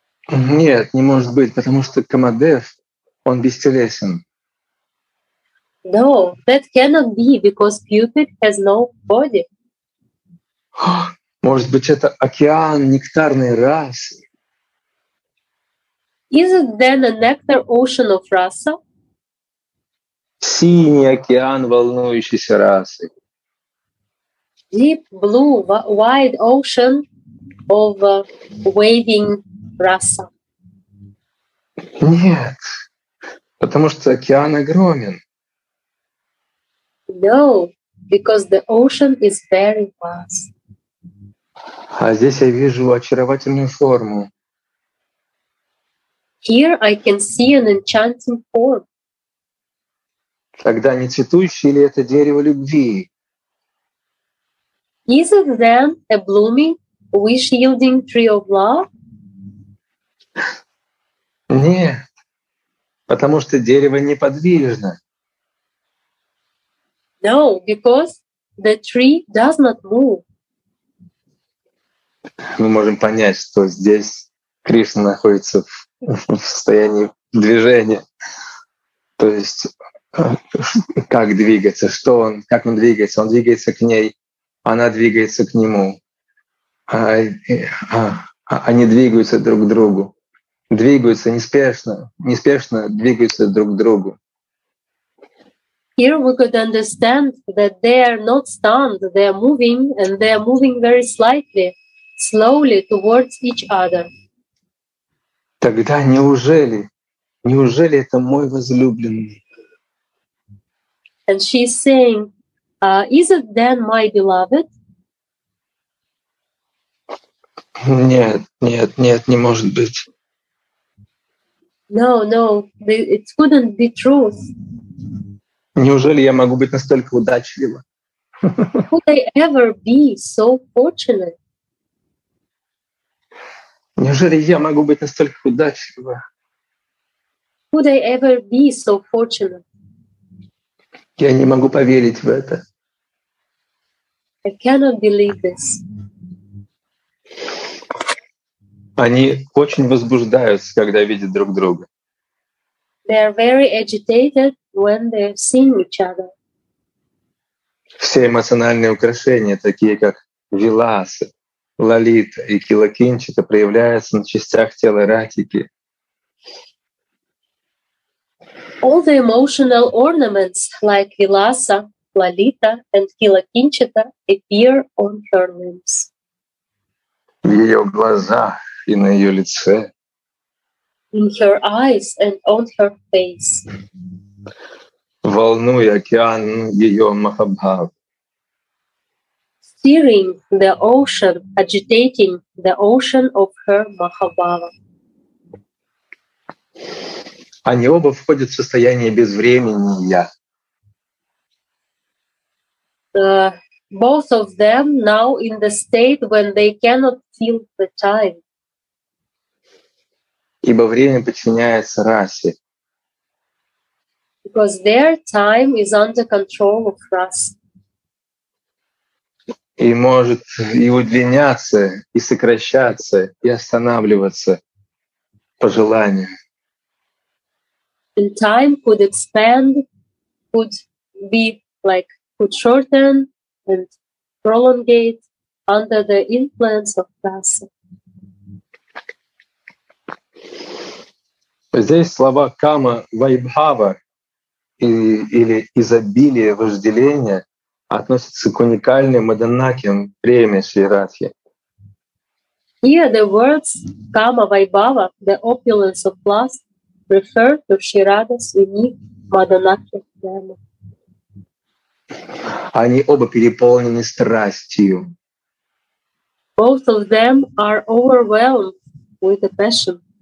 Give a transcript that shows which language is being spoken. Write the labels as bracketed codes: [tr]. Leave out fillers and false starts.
[ru] Нет, не может быть, потому что Камадев, он бестелесен. [en] No, that cannot be, because Cupid has no body. [ru] Может быть, это океан нектарной расы? [en] Is it then a nectar ocean of rasa? [ru] Синий океан волнующейся расы. [en] Deep blue, wide ocean of waving rasa. [ru] Нет, потому что океан огромен. [en] No, because the ocean is very vast. [ru] А здесь я вижу очаровательную форму. [en] Here I can see an enchanting form. [ru] Тогда не цветущее ли это дерево любви? [en] Is it then a blooming, wish-yielding tree of love? [ru] Нет, потому что дерево неподвижно. [en] No, because the tree does not move. [ru] Мы можем понять, что здесь Кришна находится в состоянии движения. То есть как двигается, что он, как он двигается? Он двигается к ней, она двигается к нему. Они двигаются друг к другу. Двигаются неспешно, неспешно двигаются друг к другу. [en] Here we could understand that they are not stunned, they are moving, and they are moving very slightly, slowly towards each other. [ru] Тогда неужели это мой возлюбленный? [en] And she's saying, is it then my beloved? [ru] Нет, нет, нет, не может быть. [en] No, it couldn't be truth. [ru] Неужели я могу быть настолько удачлива? [en] Could I ever be so fortunate? [ru] Неужели я могу быть настолько удачлива? [en] Could I ever be so fortunate? [ru] Я не могу поверить в это. [en] I cannot believe this. [ru] Они очень возбуждаются, когда видят друг друга. [en] They are very agitated when they are seeing each other. [ru] Все эмоциональные украшения, такие как виласы, лалита и килакинчита, проявляются на частях тела Ратики. [en] All the emotional ornaments, like виласа, лалита and килакинчита, appear on her limbs. [ru] В ее глазах и на ее лице. [en] In her eyes and on her face. [ru] Волнуя океан ее махабхав. [en] Steering the ocean, agitating the ocean of her Mahabhava. [ru] Они оба входят в состояние безвремени я. [en] Both of them now in the state when they cannot feel the time. [ru] Ибо время подчиняется расе. [en] Because their time is under control of Rasa. [ru] И может и удлиняться, и сокращаться, и останавливаться по желанию. [en] And time could expand, could be like could shorten and prolongate under the influence of Rasa. [ru] Здесь слова кама, вайбхава или изобилие вожделения относится к уникальным маданакиям преми Шри Радхи. [en] Here the words kama vaibhava, the opulence of lust, refer to Shri Radha's unique маданакия преми. [ru] Они оба переполнены страстью. [en] Both of them are overwhelmed with a passion.